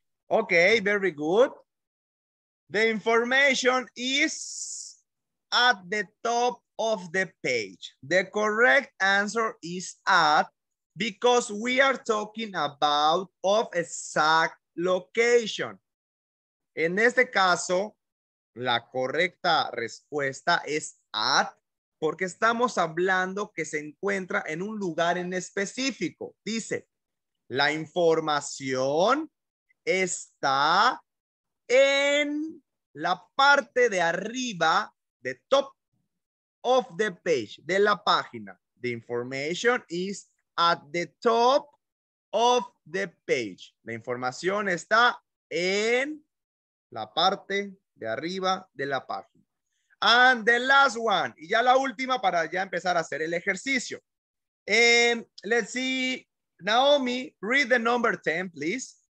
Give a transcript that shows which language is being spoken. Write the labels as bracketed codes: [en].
[en] Okay, very good. The information is at the top of the page. The correct answer is at, because we are talking about of exact location. [es] En este caso, la correcta respuesta es at, porque estamos hablando que se encuentra en un lugar en específico. Dice, la información está en la parte de arriba, [en] the top of the page, [es] de la página. [en] The information is at the top of the page. [es] La información está en la parte de arriba de la página. [en] And the last one. [es] Y ya la última para ya empezar a hacer el ejercicio. [en] Let's see. Naomi, read the number 10, please.